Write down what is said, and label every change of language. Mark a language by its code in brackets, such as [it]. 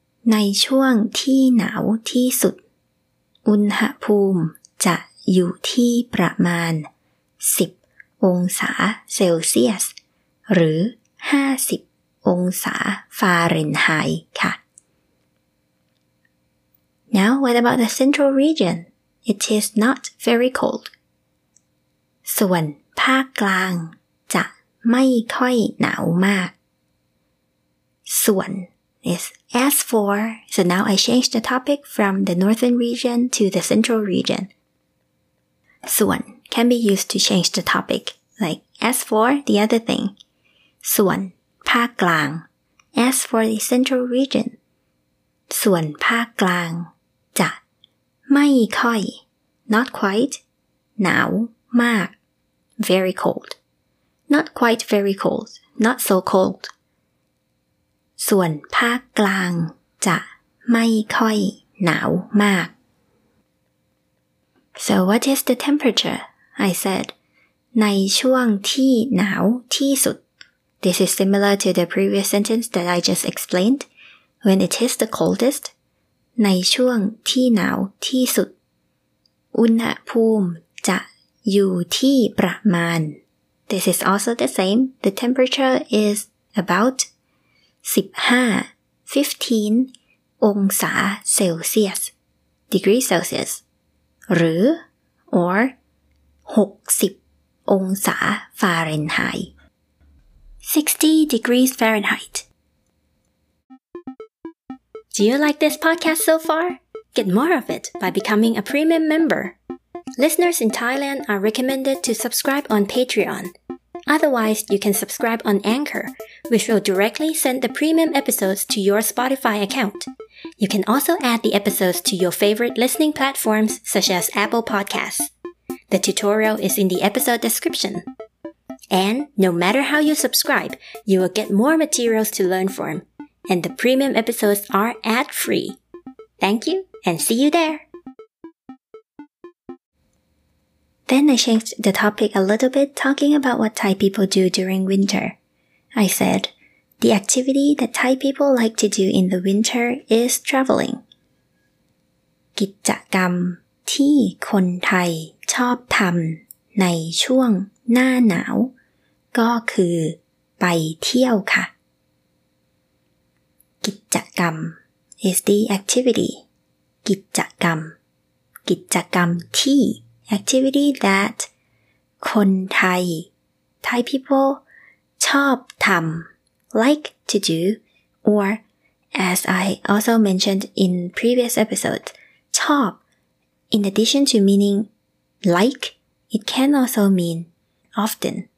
[th] ในช่วงที่หนาวที่สุดอุณหภูมิจะอยู่ที่ประมาณ10องศาเซลเซียสหรือ50องศาฟาเรนไฮต์ค่ะ [en] Now what about the central region? It is not very cold. [th] ส่วนภาคกลางจะไม่ค่อยหนาวมากส่วน [en] is as for so now I change the topic from the northern region to the central region ส่วน can be used to change the topic like as for the other thing [th] ส่วนภาคกลาง [en] as for the central region [th] ส่วนภาคกลางจะไม่ค่อย [en] not quite [th] หนาวมาก [en] Very cold. Not quite very cold. Not so cold. ส่วนภาคกลางจะไม่ค่อยหนาวมาก So what is the temperature? I said, [th] ในช่วงที่หนาวที่สุด [en] This is similar to the previous sentence that I just explained. When it is the coldest, [th] ในช่วงที่หนาวที่สุดอุณหภูมิจะอยู่ที่ประมาณ [en] This is also the same. The temperature is about [th] 15 องศาเซลเซียส [en] degree Celsius [th] หรือ [en] or [th] 60องศาฟาเรนไฮต์60 [en] degrees Fahrenheit Do you like this podcast so far? Get more of it by becoming a premium member. Listeners in Thailand are recommended to subscribe on Patreon. Otherwise, you can subscribe on Anchor, which will directly send the premium episodes to your Spotify account. You can also add the episodes to your favorite listening platforms such as Apple Podcasts. The tutorial is in the episode description. And no matter how you subscribe, you will get more materials to learn from. And the premium episodes are ad-free. Thank you, and see you there! Then I changed the topic a little bit, talking about what Thai people do during winter. I said, the activity that Thai people like to do in the winter is traveling. [th] กิจกรรมที่คนไทยชอบทำในช่วงหน้าหนาวก็คือไปเที่ยวค่ะ. [en] กิจกรรม is the activity. [th] กิจกรรม กิจกรรมที่ [en] Activity that [th] คนไทย [en] Thai people [th] ชอบทำ [en] like to do or as I also mentioned in previous episodes ชอบ in addition to meaning like it can also mean often